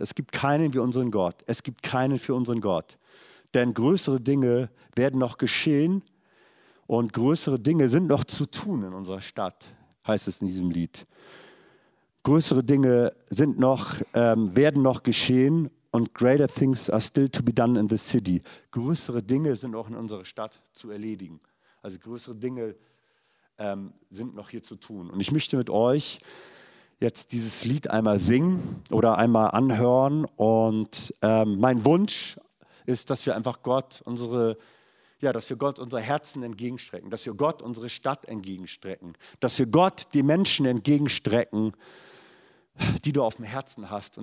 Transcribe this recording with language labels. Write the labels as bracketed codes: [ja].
[de] Es gibt keinen wie unseren Gott. Es gibt keinen für unseren Gott. Denn größere Dinge werden noch geschehen und größere Dinge sind noch zu tun in unserer Stadt, heißt es in diesem Lied. Größere Dinge sind noch, werden noch geschehen. [en] Und greater things are still to be done in the city. [de] Größere Dinge sind auch in unserer Stadt zu erledigen. Also größere Dinge sind noch hier zu tun. Und ich möchte mit euch jetzt dieses Lied einmal singen oder einmal anhören. Und mein Wunsch ist, dass wir einfach Gott unsere, ja, dass wir Gott unsere Herzen entgegenstrecken, dass wir Gott unsere Stadt entgegenstrecken, dass wir Gott die Menschen entgegenstrecken, die du auf dem Herzen hast.